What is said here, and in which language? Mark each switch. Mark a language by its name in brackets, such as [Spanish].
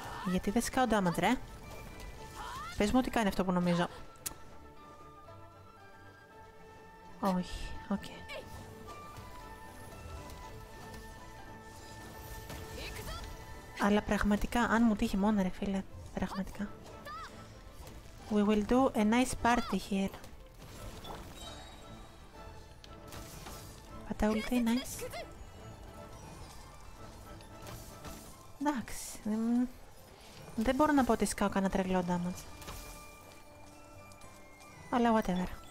[Greek] Γιατί δεν σκάω damage, ρε. Πες μου τι κάνει αυτό που νομίζω. Όχι, οκ. Αλλά πραγματικά, αν μου τύχει μόνο ρε φίλε, πραγματικά. [English] We will do a nice party here. [Greek] Πατά ούλτι, nice. Εντάξει, δεν μπορώ να πω ότι σκάω κανένα τρελό damage. Αλλά whatever.